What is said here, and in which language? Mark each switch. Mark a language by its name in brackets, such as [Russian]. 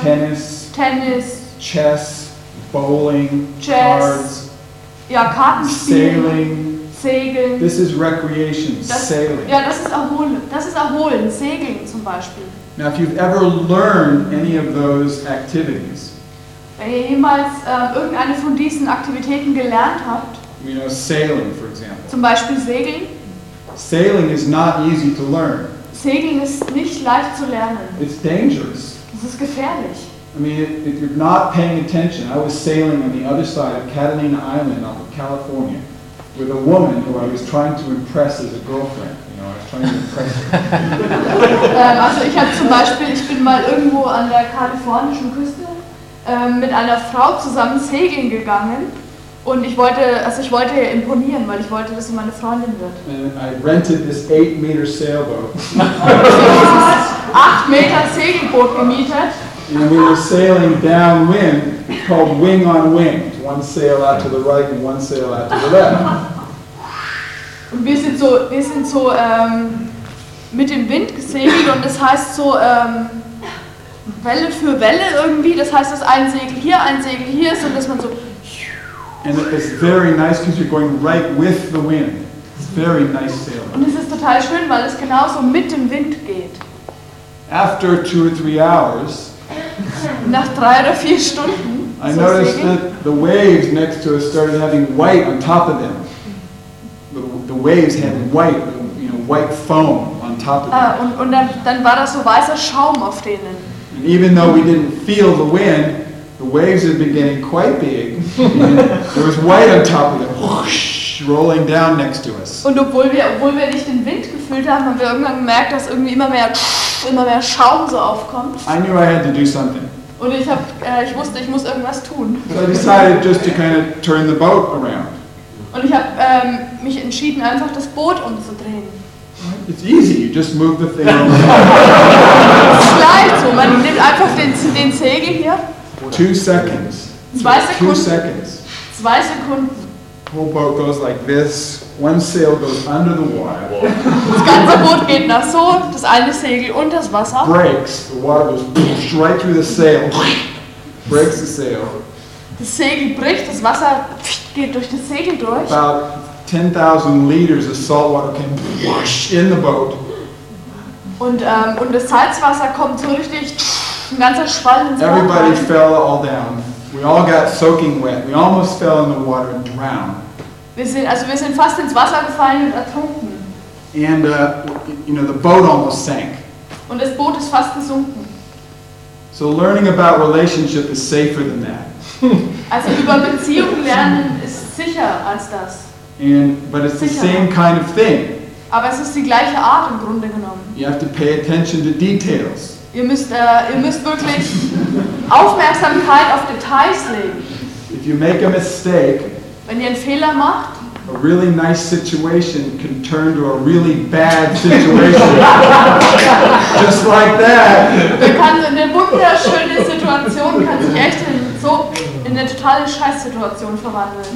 [English] Tennis. Chess. Bowling. Chess. Cards. [German] Ja, Kartenspielen. [English] Sailing. [German] Segeln. [English] This is recreation. Sailing. [German] Ja, das ist Erholung. Das ist Erholen. Segeln zum Beispiel. [English] Now, if you've ever learned any of those activities. [German] Wenn ihr jemals irgendeine von diesen Aktivitäten gelernt habt, [English] you know, sailing, for example. [German] Zum Beispiel Segeln. [English] Sailing is not easy to learn. [German] Segeln ist nicht leicht zu lernen. [English] It's dangerous. [German] Es ist gefährlich. [English] I mean, if you're not paying attention, I was sailing on the other side of Catalina Island off of California with a woman who I was trying to impress as a girlfriend. [German] also ich habe zum Beispiel, ich bin mal irgendwo an der kalifornischen Küste mit einer Frau zusammen segeln gegangen und ich wollte ihr imponieren, weil ich wollte, dass sie meine Freundin wird. [English] I rented this 8-meter sailboat. [German] 8-meter Segelboot gemietet. [English] And we were sailing downwind, called wing on wing, one sail out to the right and one sail out to the left. [German] Und wir sind so mit dem Wind gesegelt und das heißt so Welle für Welle irgendwie, das heißt, dass ein Segel hier ist und dass man so. [English] And it's very nice because you're going right with the wind. It's very nice sailing. [German] Und es ist total schön, weil es genauso mit dem Wind geht. [English] After 2 or 3 hours. [German] Nach 3 oder 4 Stunden. [English] I noticed that the waves next to us started having white on top of them. The waves had white, white foam on top of them. [German] Und dann war da so weißer Schaum auf denen. [English] And even though we didn't feel the wind, the waves had been getting quite big. There was white on top of them, whoosh, rolling down next to us. [German] Und obwohl wir nicht den Wind gefühlt haben wir irgendwann gemerkt, dass irgendwie immer mehr Schaum so aufkommt. [English] I knew I had to do something. [German] Und ich wusste, ich muss irgendwas tun. [English] So I decided just to kind of turn the boat around. [German] Und ich habe mich entschieden, einfach das Boot umzudrehen. [English] It's easy, you just move the thing around. [German] Es ist leicht so, man nimmt einfach den Segel hier. [English] 2 seconds. [German] 2 Sekunden. [English] 2 seconds. [German] 2 Sekunden. [English] Whole boat goes like this. One sail goes under the water. [German] Das ganze Boot geht nach so, das eine Segel unter das Wasser. [English] Breaks. The water goes right through the sail. Breaks the sail. [German] Das Segel bricht, das Wasser geht durch das Segel durch. [English] About 10,000 liters of salt water can in the boat. [German] Und das Salzwasser kommt so richtig, ein ganzer Schwall ins Boot. [English] Everybody fell all down. We all got soaking wet. We almost fell in the water and drowned. [German] Wir sind fast ins Wasser gefallen und ertrunken. [English] And the boat almost sank. [German] Und das Boot ist fast gesunken. [English] So learning about relationship is safer than that. [German] Also über Beziehungen lernen ist sicher als das. [English] But it's the same kind of thing. [German] Aber es ist die gleiche Art im Grunde genommen. [English] You have to pay attention to details. [German] Ihr müsst wirklich Aufmerksamkeit auf Details legen. [English] If you make a mistake, [German] wenn ihr einen Fehler macht, [English] a really nice situation can turn to a really bad situation. Just like that. [German] Eine wunderschöne Situation kann sich echt in eine totale Scheißsituation verwandeln.